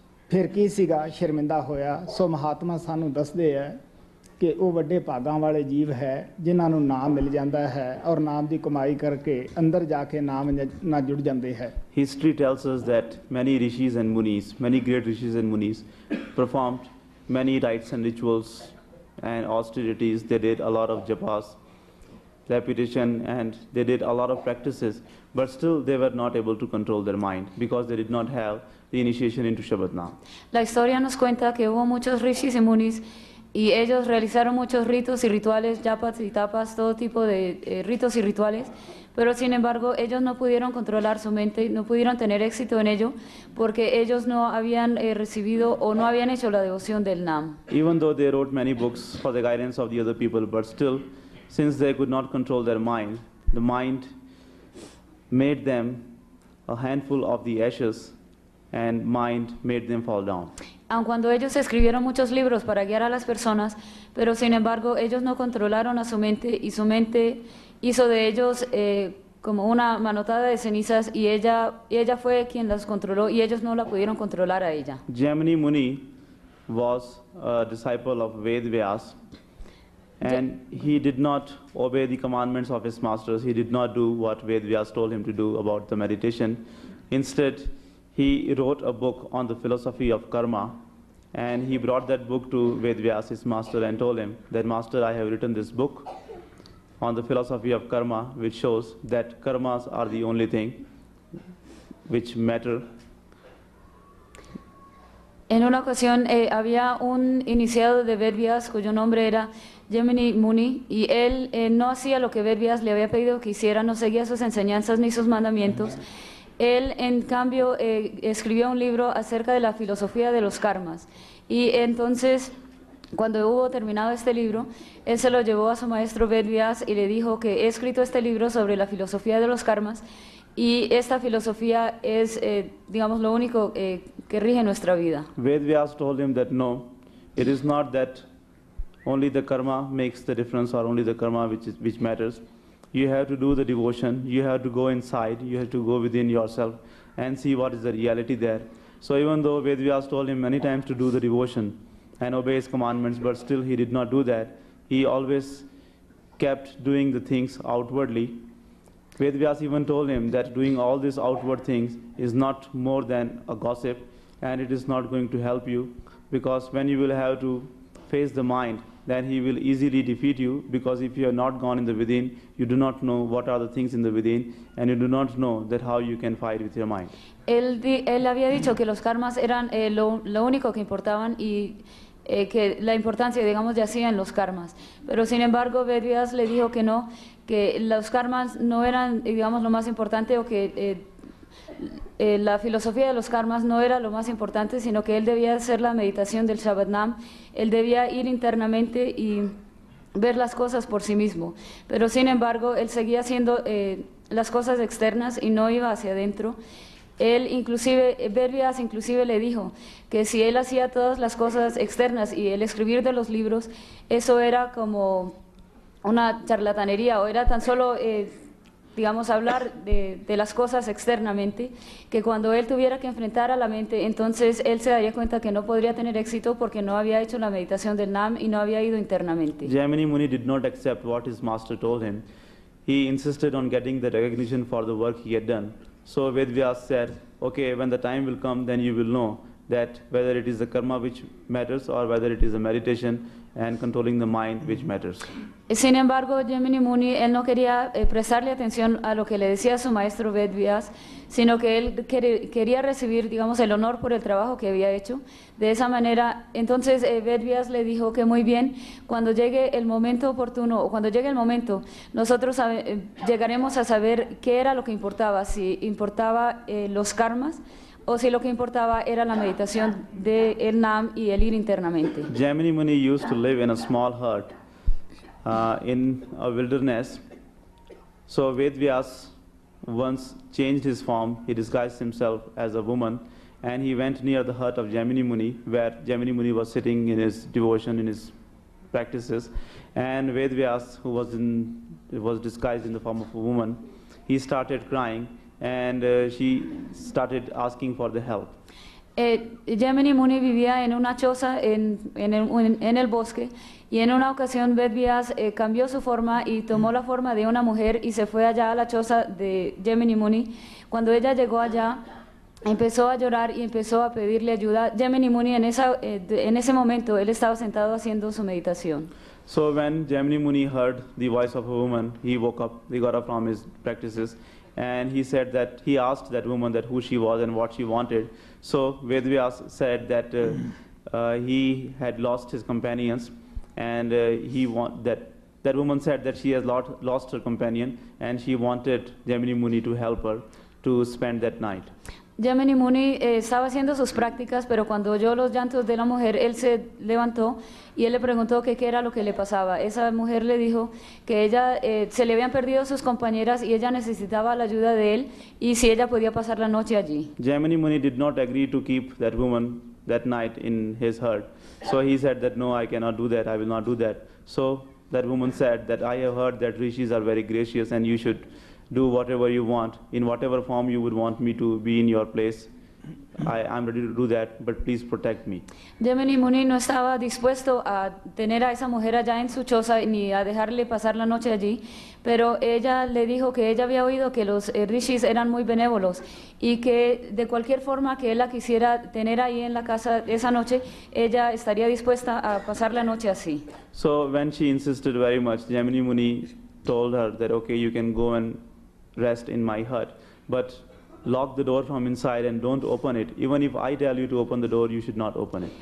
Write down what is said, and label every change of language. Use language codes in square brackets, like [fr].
[pa] ਫਿਰ ਕੀ ਸੀਗਾ, ਸ਼ਰਮਿੰਦਾ ਹੋਇਆ। ਸੋ ਮਹਾਤਮਾ ਸਾਨੂੰ ਦੱਸਦੇ ਹੈ ਕਿ ਉਹ ਵੱਡੇ ਭਾਗਾਂ ਵਾਲੇ ਜੀਵ ਹੈ ਜਿਨ੍ਹਾਂ ਨੂੰ ਨਾਮ ਮਿਲ ਜਾਂਦਾ ਹੈ, ਔਰ ਨਾਮ ਦੀ ਕਮਾਈ ਕਰਕੇ ਅੰਦਰ ਜਾ ਕੇ ਨਾਮ ਨਾਲ ਜੁੜ ਜਾਂਦੇ ਹੈ। [en] History tells us that many rishis and munis, many great rishis and munis performed many rites and rituals and austerities, they did a lot of japas repetition and they did a lot of practices, but still they were not able to control their mind because they did not have the initiation into Shabad Nam. [es] La historia nos cuenta que hubo muchos rishis y munis y ellos realizaron muchos ritos y rituales, japas y tapas, todo tipo de ritos y rituales, pero sin embargo ellos no pudieron controlar su mente, no pudieron tener éxito en ello porque ellos no habían recibido o no habían hecho la devoción del Nam. [en] Even though they wrote many books for the guidance of the other people, but still, since they could not control their mind made them a handful of the ashes and mind made them fall down. [es] Aun cuando ellos escribieron muchos libros para guiar a las personas, pero sin embargo ellos no controlaron a su mente hizo de ellos como una manotada de cenizas y ella fue quien las controló y ellos no la pudieron controlar a ella. [en] Jaimini Muni was a disciple of Ved Vyas and he did not obey the commandments of his masters. He did not do what Ved Vyas told him to do about the meditation. Instead, he wrote a book on the philosophy of karma and he brought that book to Ved Vyas, his master, and told him that, "Master, I have written this book on the philosophy of karma, which shows that karmas are the only thing which matter." [es] En una ocasión había un iniciado de Ved Vyas cuyo nombre era Jaimini Muni y él no hacía lo que Ved Vyas le había pedido que hiciera, no seguía sus enseñanzas ni sus mandamientos. Él, en cambio, escribió un libro acerca de la filosofía de los karmas. Y entonces, cuando hubo terminado este libro, él se lo llevó a su maestro Ved Vyas y le dijo que he escrito este libro sobre la filosofía de los karmas y esta filosofía es, digamos, lo único que rige nuestra vida. [en] Ved Vyas told him that no, it is not that only the karma makes the difference or only the karma which matters. You have to do the devotion, you have to go inside, you have to go within yourself and see what is the reality there. So even though Ved Vyas told him many times to do the devotion and obey his commandments, but still he did not do that. He always kept doing the things outwardly. Ved Vyas even told him that doing all these outward things is not more than a gossip and it is not going to help you, because when you will have to face the mind, then he will easily defeat you, because if you have not gone in the within, you do not know what are the things in the within, and you do not know that how you can fight with your mind. [es] Él había dicho que los karmas eran lo único que importaban y que la importancia, digamos, yacía en los karmas. Pero sin embargo, Ved Vyas le dijo que no, que los karmas no eran, digamos, lo más importante o que la filosofía de los karmas no era lo más importante, sino que él debía hacer la meditación del Shabad Nam. Él debía ir internamente y ver las cosas por sí mismo. Pero sin embargo, él seguía haciendo las cosas externas y no iba hacia adentro. Él inclusive, Ved Vyas inclusive le dijo que si él hacía todas las cosas externas y el escribir de los libros, eso era como una charlatanería o era tan solo digamos, hablar de las cosas externamente, que cuando él tuviera que enfrentar a la mente, entonces él se daría cuenta que no podría tener éxito porque no había hecho la meditación del Nam y no había ido internamente. [en] Jaimini Muni did not accept what his master told him. He insisted on getting the recognition for the work he had done. So Ved Vyas said, "Okay, when the time will come, then you will know that whether it is the karma which matters or whether it is the meditation and controlling the mind which matters. [es] Sin embargo, Jemini Muni, él no quería prestarle atención a lo que le decía su maestro Vedvyas, sino que él quería recibir, digamos, el honor por el trabajo que había hecho. De esa manera, entonces Vedvyas le dijo que muy bien, cuando llegue el momento oportuno, o cuando llegue el momento, nosotros llegaremos a saber qué era lo que importaba, si importaba los karmas, o si lo que importaba era la meditación de el Nam y el ir internamente. [en] Jemini Muni used to live in a small hut, in a wilderness. So Vedvyas once changed his form, he disguised himself as a woman, and he went near the hut of Jemini Muni, where Jemini Muni was sitting in his devotion, in his practices. And Vedvyas, who was in, was disguised in the form of a woman, he started crying, and she started asking for the help. [es] Jemini Muni vivía en una choza en el bosque, y en una ocasión Vedvyas cambió su forma y tomó la forma de una mujer y se fue allá a la choza de Jemini Muni. Cuando ella llegó allá, empezó a llorar y empezó a pedirle ayuda. Jemini Muni en ese momento él estaba sentado haciendo su meditación. [en] So when Jemini Muni heard the voice of a woman, he woke up, he got up from his practices, and he said that he asked that woman that who she was and what she wanted. So Vedvyas said that he had lost his companions, and that woman said that she has lost her companion, and she wanted Jemini Muni to help her to spend that night. [es] Jemini Muni estaba haciendo sus prácticas, pero cuando oyó los llantos de la mujer, él se levantó y él le preguntó qué era lo que le pasaba. Esa mujer le dijo que ella se le habían perdido sus compañeras y ella necesitaba la ayuda de él y si ella podía pasar la noche allí. [en] Jemini Muni did not agree to keep that woman that night in his hut. So he said that no, I cannot do that, I will not do that. So that woman said that I have heard that rishis are very gracious and you should do whatever you want, in whatever form you would want me to be in your place. I'm ready to do that, but please protect me. [es] Jemini Muni no estaba dispuesto a tener a esa mujer allá en su choza ni a dejarle pasar la noche allí, pero ella le dijo que ella había oído que los rishis eran muy benévolos y que de cualquier forma que él la quisiera tener ahí en la casa esa noche, ella estaría dispuesta a pasar la noche así. [en] So when she insisted very much, Jemini Muni told her that, okay, you can go and rest in my hut, but lock the door from inside and don't open it. Even if I tell you to open the door, you should not open it.